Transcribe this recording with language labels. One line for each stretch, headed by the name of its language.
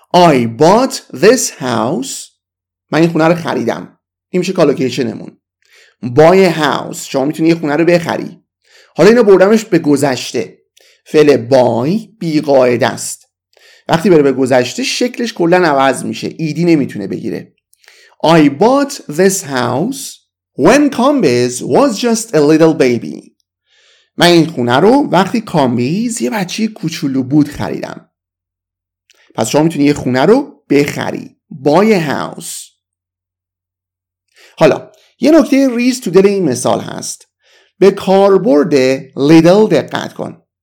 English: I bought this house.
Persian: من این خونه رو خریدم. این میشه کالوکیشنمون.
English: Buy a house.
Persian: شما میتونی یه خونه رو بخری. حالا اینو بردمش به گذشته. فعل بای بی قاعده است. وقتی بره به گذشته شکلش کلا عوض میشه، ایدی نمیتونه بگیره.
English: I bought this house when Kambiz was just a little baby.
Persian: من این خونه رو وقتی کامبیز یه بچه کوچولو بود خریدم. پس شما میتونی یه خونه رو بخری،
English: buy a house.
Persian: حالا یه نکته ریز تو دل این مثال هست، به کاربرد little دقت کن.